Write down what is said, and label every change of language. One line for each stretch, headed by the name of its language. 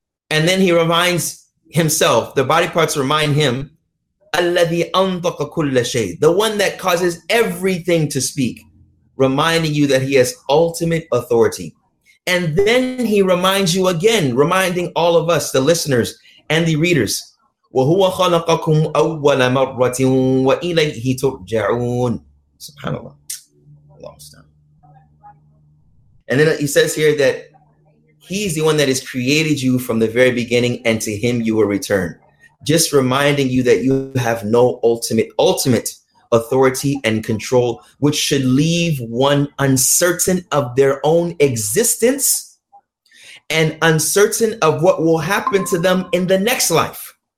English: And then he reminds himself, the body parts remind him,
Arabic: الَّذِي أَنْطَقَ كُلَّ شَيْءٍ,
English: the one that causes everything to speak, reminding you that he has ultimate authority. And then he reminds you again, reminding all of us, the listeners and the readers,
Arabic: وهو خلقكم أول مرة وإليه ترجعون.
English: Subhanallah. Allah is down. And then he says here that he's the one that has created you from the very beginning, and to him you will return. Just reminding you that you have no ultimate authority and control, which should leave one uncertain of their own existence and uncertain of what will happen to them in the next life.